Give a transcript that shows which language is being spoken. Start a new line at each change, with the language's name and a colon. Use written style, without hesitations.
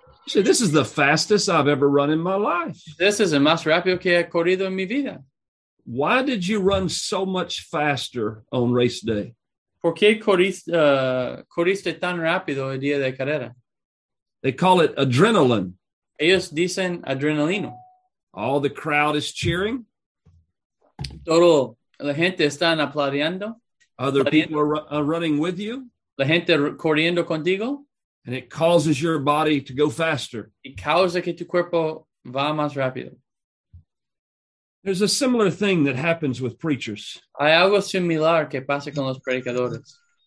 English: See, this is the fastest I've ever run in my life. This is
Spanish: el más rápido que he corrido en mi vida.
English: Why did you run so much faster on race day?
Spanish: ¿Por qué corriste tan rápido el día de carrera?
English: They call it adrenaline.
Spanish: Ellos dicen adrenalino.
English: All the crowd is cheering.
Spanish: Todo la gente está aplaudiendo.
English: Other aplaudiendo. People are running with you.
Spanish: La gente corriendo contigo.
English: And it causes your body to go faster.
Spanish: Y causa que tu cuerpo va más rápido.
English: There's a similar thing that happens with preachers.
Spanish: Hay algo similar que pasa con los predicadores.